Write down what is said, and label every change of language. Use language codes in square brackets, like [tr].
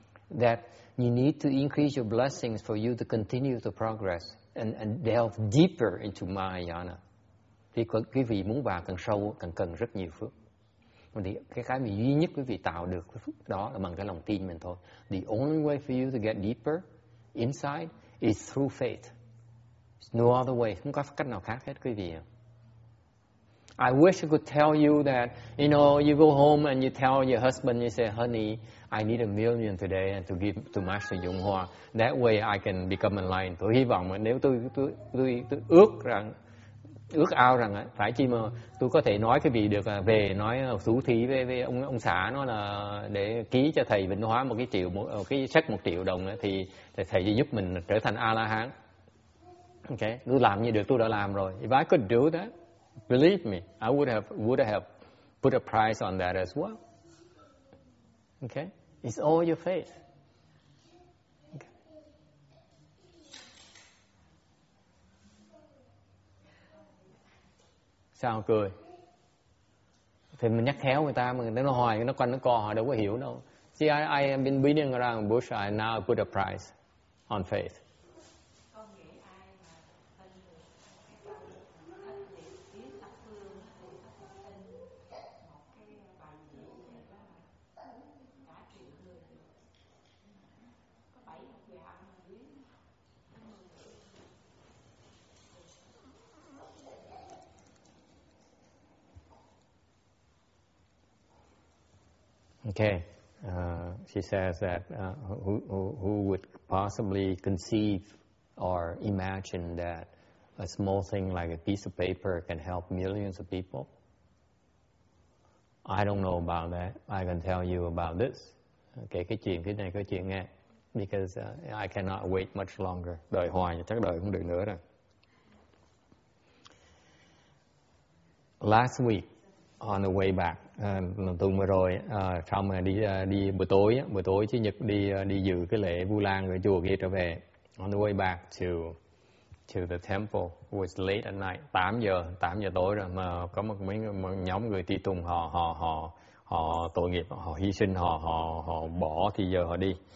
[en] that you need to increase your blessings for you to continue to progress and delve deeper into Mahayana. [vi] Thì quý vị muốn vào càng sâu càng cần rất nhiều phước. Thì cái mà duy nhất quý vị tạo được phước đó là bằng cái lòng tin mình thôi. [en] The only way for you to get deeper inside is through faith. No other way. [vi] Không có cách nào khác hết quý vị. [en] I wish I could tell you that, you know, you go home and you tell your husband, you say, honey, I need $1 million today and to give to Master Dung Hoa. That way I can become enlightened. [vi] Tôi hy vọng nếu tôi ước rằng, ước ao rằng phải chi mà tôi có thể nói cái vị được về nói thú thí với ông xã nó là để ký cho thầy Vĩnh Hóa một cái triệu một cái sách 1 triệu đồng thì thầy sẽ giúp mình trở thành A-la-hán. Ok, tôi làm như được tôi đã làm rồi. [en] If I could do that, believe me, I would have put a price on that as well. Okay, it's all your faith. [vi] Sao cười? Thì mình nhắc khéo người ta mà nó hoài, nó quanh, nó co, họ đâu có hiểu đâu. [en] See, I have been beating around the bush, I now put a price on faith. Okay, she says that who would possibly conceive or imagine that a small thing like a piece of paper can help millions of people? I don't know about that. I can tell you about this. Okay, [vi] cái chuyện nghe. [en] Because I cannot wait much longer. [vi] Đợi hoài, chắc đợi không được nữa rồi. [en] Last week, on the way back, [vi] tuần vừa rồi, xong rồi đi buổi tối chủ nhật đi dự cái lễ Vu Lan ở chùa kia trở về. On the way back to the temple, it was late at night, 8 giờ tối rồi mà có một mấy nhóm người tùy tùng họ tội nghiệp, họ hy sinh, họ bỏ thì giờ họ đi.